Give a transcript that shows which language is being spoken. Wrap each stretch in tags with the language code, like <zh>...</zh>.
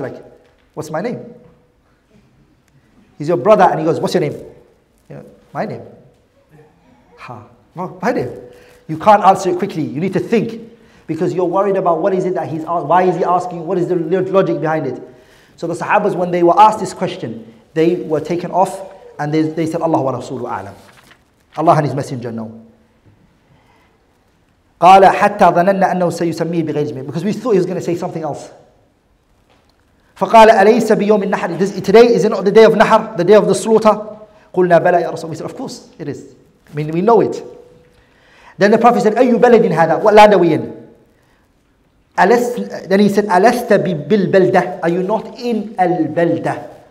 <en>Like, what's my name? He's your brother and he goes, what's your name? Yeah, my name. Huh. Well, my name. You can't answer it quickly. You need to think because you're worried about what is it that he's asking, why is he asking, what is the logic behind it? So the Sahabas, when they were asked this question, they were taken off and they said,</en> <ar>Allah wa Rasulu A'lam.</ar> <en>Allah and His Messenger know.</en> <ar>قال حتى ظننا أنه سيسميه بغير اسمه.</ar> <en>Because we thought he was going to say something else.</en> <ar>فقال أليس بيوم النحر.</ar> <en>Today is not the day of نحر, the day of the slaughter.</en> <ar>قلنا بلى يا رسول.</ar> <en>We said, of course it is. I mean, we know it. Then the Prophet said,</en> <ar>أي بلد هذا؟</ar> <en>What land are we in? Then he said,</en> <ar>ألست بالبلدة؟</ar> <en>Are you not in البلدة?</en>